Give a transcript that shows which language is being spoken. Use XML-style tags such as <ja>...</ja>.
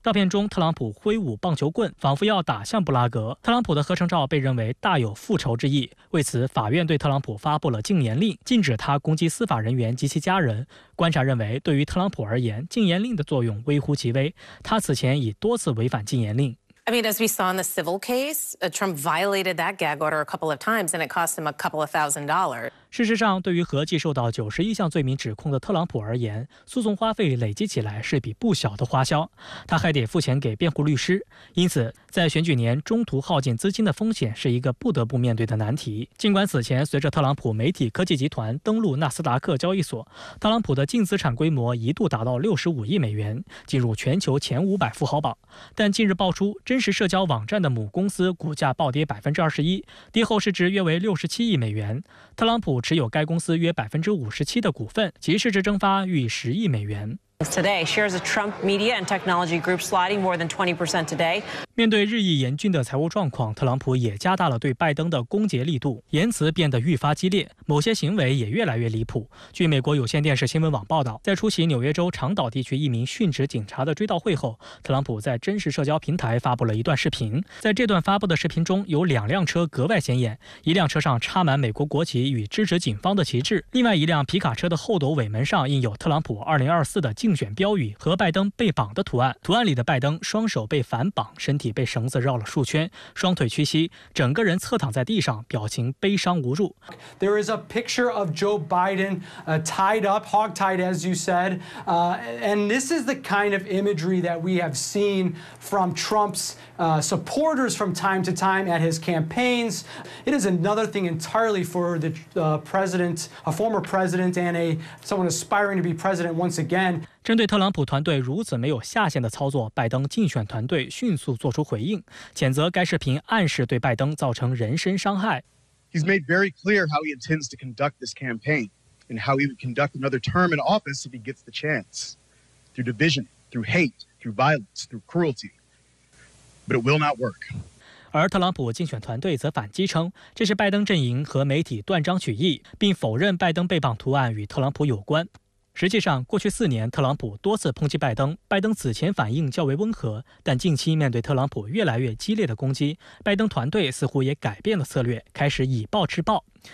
<zh>照片中，特朗普挥舞棒球棍，仿佛要打向布拉格。特朗普的合成照被认为大有复仇之意，为此法院对特朗普发布了禁言令，禁止他攻击司法人员及其家人。观察认为，对于特朗普而言，禁言令的作用微乎其微，他此前已多次违反禁言令。</zh> <en>I mean, as we saw in the civil case, Trump violated that gag order a couple of times, and it cost him a couple of thousand dollars.</en> <zh>事实上，对于合计受到91项罪名指控的特朗普而言，诉讼花费累积起来是笔不小的花销，他还得付钱给辩护律师，因此在选举年中途耗尽资金的风险是一个不得不面对的难题。尽管此前随着特朗普媒体科技集团登陆纳斯达克交易所，特朗普的净资产规模一度达到65亿美元，进入全球前500富豪榜，但近日爆出真实社交网站的母公司股价暴跌21%，跌后市值约为67亿美元。特朗普持有该公司约57%的股份，其市值蒸发逾10亿美元。</zh> <en>Today, shares of Trump Media and Technology Group sliding more than 20% today.</en> <zh>面对日益严峻的财务状况，特朗普也加大了对拜登的攻讦力度，言辞变得愈发激烈，某些行为也越来越离谱。据美国有线电视新闻网报道，在出席纽约州长岛地区一名殉职警察的追悼会后，特朗普在真实社交平台发布了一段视频。在这段发布的视频中，有两辆车格外显眼，一辆车上插满美国国旗与支持警方的旗帜，另外一辆皮卡车的后斗尾门上印有特朗普2024的竞选标语和拜登被绑的图案，图案里的拜登双手被反绑，身体被绳子绕了数圈，双腿屈膝，整个人侧躺在地上，表情悲伤无助。</zh> <en>There is a picture of Joe Biden, tied up, hogtied, as you said, and this is the kind of imagery that we have seen from Trump's supporters from time to time at his campaigns. It is another thing entirely for the president, a former president, and someone aspiring to be president once again.</en> <zh>针对特朗普团队如此没有下限的操作，拜登竞选团队迅速做出回应，谴责该视频暗示对拜登造成人身伤害。</zh> <en>He's made very clear how he intends to conduct this campaign and how he would conduct another term in office if he gets the chance. Through division, through hate, through violence, through cruelty. But it will not work.</en> <zh>而特朗普竞选团队则反击称，这是拜登阵营和媒体断章取义，并否认拜登被绑图案与特朗普有关。实际上，过去四年，特朗普多次抨击拜登，拜登此前反应较为温和，但近期面对特朗普越来越激烈的攻击，拜登团队似乎也改变了策略，开始以暴制暴。</zh>